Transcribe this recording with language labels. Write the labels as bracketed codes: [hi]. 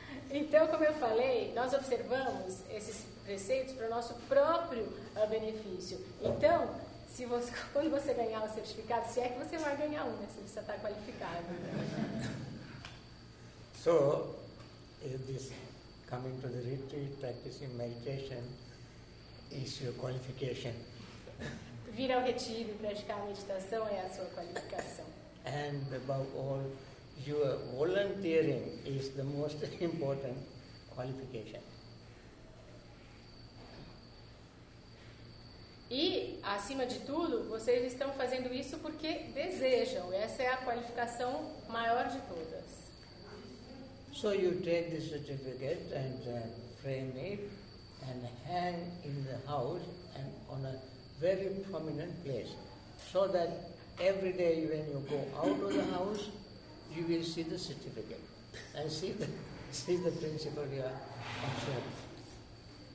[pt] Então, como eu falei, nós observamos esses preceitos para o nosso próprio benefício. Então, quando você ganhar o certificado, se é que você vai ganhar um, né, se você está qualificado. [en] So, this coming to the retreat, practicing meditation, is your qualification. [pt] Vir ao retiro, praticar a meditação é a sua qualificação. [en] And above all, your volunteering is the most important qualification. [pt] E, acima de tudo, vocês estão fazendo isso porque desejam. Essa é a qualificação maior de todas. [en] So you take this certificate and frame it and hang in the house and on a very prominent place, so that every day when you go out of the house, you will see the certificate and see the principle you are observing.